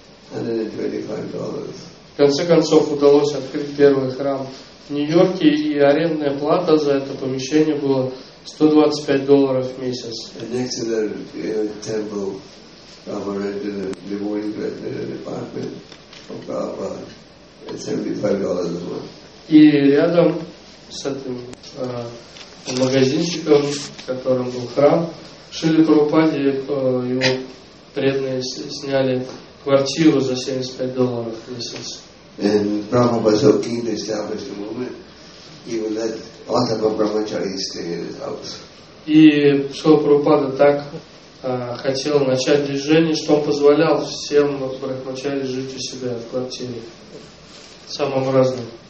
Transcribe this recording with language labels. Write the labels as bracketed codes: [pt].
[ru] В конце концов удалось открыть первый храм в Нью-Йорке, и арендная плата за это помещение была $125 в месяц. [en] And next to that temple, Prabhupada rented a devotee's residence apartment for Prabhupada at $75 a month. [ru] И рядом с этим магазинчиком, в котором был храм, Шрила Прабхупаде его преданные сняли квартиру за $75 в месяц. [en] And Prabhupada was so keen to establish the movement, he would let Ātapa Brahmachari stay in his house. [ru] И Шрила Прабхупада так хотел начать движение, что он позволял всем брахмачари жить у себя в квартире. Самым разным.